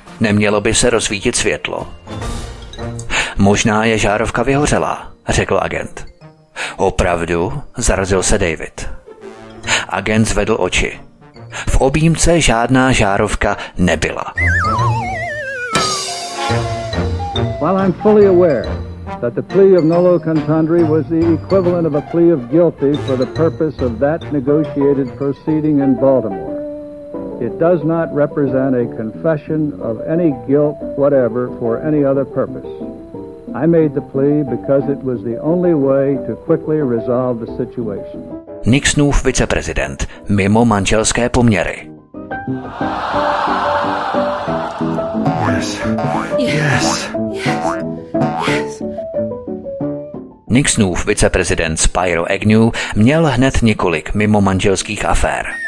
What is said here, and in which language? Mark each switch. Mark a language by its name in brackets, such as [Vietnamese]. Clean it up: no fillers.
[Czech] Nemělo by se rozsvítit světlo. Možná je žárovka vyhořela, řekl agent. Opravdu? Zarazil se David. Agent zvedl oči. V objímce žádná žárovka nebyla. [English] Well, I'm fully aware that the plea of nolo contendere was the equivalent of a plea of guilty for the purpose of that negotiated proceeding in Baltimore. It does not represent a confession of any guilt whatever for any other purpose. I made the plea because it was the only way to quickly resolve the situation. [Czech] Nixonův viceprezident, mimo manželské poměry. Nixonův viceprezident Spyro Agnew měl hned několik mimo manželských afér.